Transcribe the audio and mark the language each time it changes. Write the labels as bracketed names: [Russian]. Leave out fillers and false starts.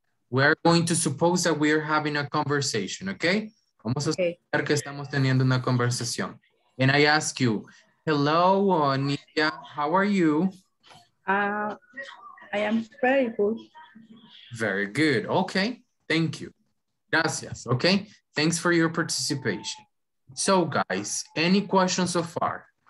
[English] We're going to suppose that we are having a conversation, okay? [Spanish] Vamos a suponer que estamos teniendo una conversación. [English] And I ask you, hello, Nidia, how are you? I am very good. Very good, okay. Thank you. Gracias, okay? Thanks for your participation. So guys, any questions so far?